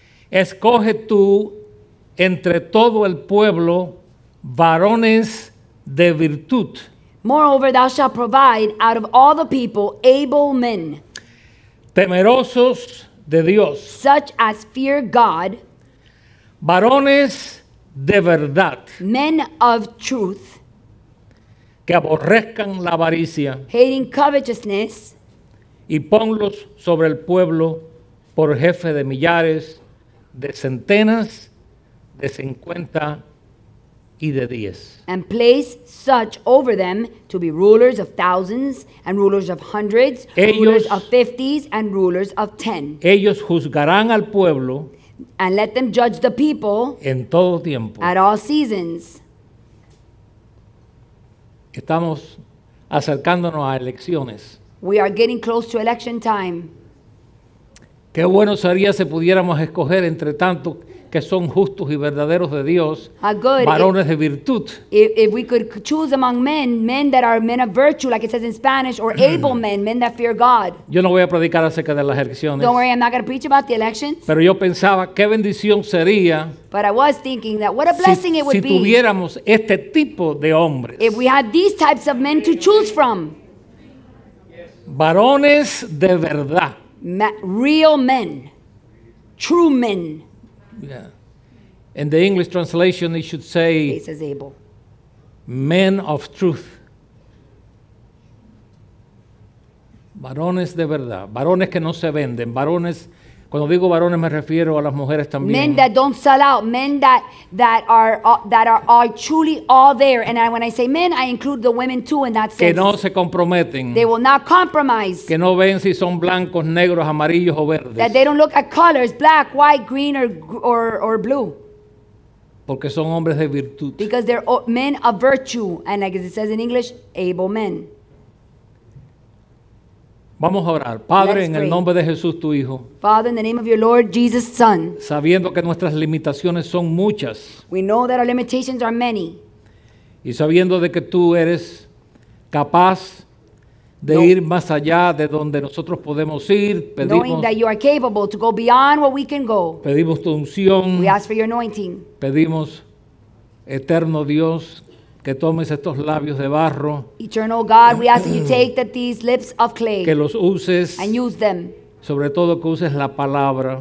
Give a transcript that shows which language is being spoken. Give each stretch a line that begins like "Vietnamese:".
Spanish: Escoge tú entre todo el pueblo varones de virtud.
English: Moreover, thou shalt provide out of all the people able men.
Spanish: Temerosos de Dios.
English: Such as fear God.
Spanish: Varones de verdad.
English: Men of truth.
Spanish: Que aborrezcan la avaricia.
English: Hating covetousness.
Spanish: Y ponlos sobre el pueblo por jefe de millares, de centenas, de cincuenta y de diez.
English: And place such over them to be rulers of thousands and rulers of hundreds,
Spanish: ellos,
English: rulers of fifties and rulers of ten.
Spanish: Ellos juzgarán al pueblo.
English: and let them judge the people
Spanish: en todo tiempo.
English: At all seasons.
Spanish: Estamos acercándonos a elecciones.
English: We are getting close to election time.
Spanish: Qué bueno sería si pudiéramos escoger entre tanto que son justos y verdaderos de Dios, varones de virtud.
English: If we could choose among men, men that are men of virtue, like it says in Spanish, or able men, men that fear God.
Spanish: Yo no voy a predicar acerca de las elecciones.
English: Don't worry, I'm not going to preach about the elections.
Spanish: Pero yo pensaba, qué bendición sería.
English: But I was thinking that what a blessing
Spanish: si,
English: it would
Spanish: si
English: be.
Spanish: Si tuviéramos este tipo de hombres.
English: If we had these types of men to choose from.
Spanish: Varones de verdad.
English: Real men. True men. Yeah. In the English translation, it should say, it says able. Men of truth.
Spanish: Varones de verdad. Varones que no se venden. Varones, cuando digo varones, me refiero a las mujeres también.
English: Men that don't sell out. Men that are truly all there. And when I say men, I include the women too in that sense.
Spanish: Que no se comprometen.
English: They will not compromise.
Spanish: Que no ven si son blancos, negros, amarillos o verdes.
English: That they don't look at colors, black, white, green, or blue.
Spanish: Porque son hombres de virtud.
English: Because they're men of virtue. And like it says in English, able men.
Spanish: Vamos a orar. Padre, en el nombre de Jesús, tu Hijo.
English: Father, in the name of your Lord Jesus, Son.
Spanish: Sabiendo que nuestras limitaciones son muchas.
English: We know that our limitations are many.
Spanish: Y sabiendo de que tú eres capaz de ir más allá de donde nosotros podemos ir. Pedimos,
English: knowing that you are capable to go beyond where we can go.
Spanish: Pedimos tu unción.
English: We ask for your anointing.
Spanish: Pedimos, eterno Dios, que tomes estos labios de barro.
English: Eternal God, we ask that you take that these lips of clay.
Spanish: Que los uses.
English: And use them.
Spanish: Sobre todo que uses la palabra.